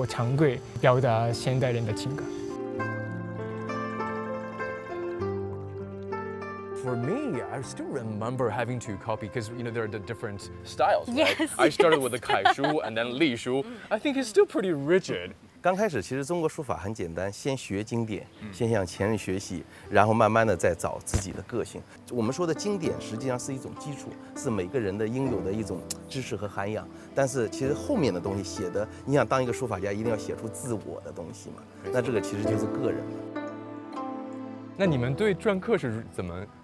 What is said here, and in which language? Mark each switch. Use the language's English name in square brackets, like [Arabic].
[Chinese] 日本的书法和中国的书法的差异，就是中国的书法我觉得比较多带点规律性。日本的书法我觉得比较多带情绪性。他们也虽然研究过中国和日本的经典，但是他们打破常规，表达现代人的情感。 [English] I still remember having to copy because you know there are the different styles. Yes, I started with the Kai Shu and then Li Shu. I think it's still pretty rigid. [Chinese] 刚开始其实中国书法很简单，先学经典，先向前人学习，然后慢慢的再找自己的个性。我们说的经典实际上是一种基础，是每个人的应有的一种知识和涵养。但是其实后面的东西写的，你想当一个书法家，一定要写出自我的东西嘛？那这个其实就是个人了。那你们对篆刻是怎么？